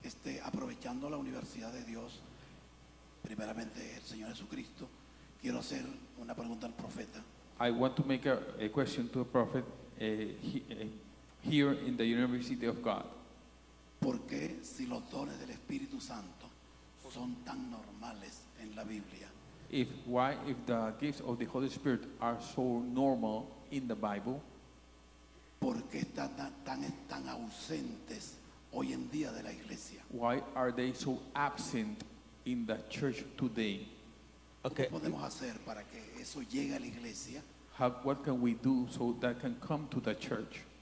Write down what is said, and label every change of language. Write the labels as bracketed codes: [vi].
[es] escuchando la Universidad de Dios, primeramente el Señor Jesucristo, quiero hacer una pregunta al profeta. [en] I want to make a question to the prophet here in the University of God. [es] ¿Por qué si los dones del Espíritu Santo son tan normales en la Biblia? [en] Why if the gifts of the Holy Spirit are so normal in the Bible? [es] ¿Por qué están tan ausentes hoy en día de la iglesia? [en] Why are they so absent in the church today? Okay. [es] ¿Qué podemos hacer para que eso llegue a la iglesia? [en] What can we do so that can come to the church?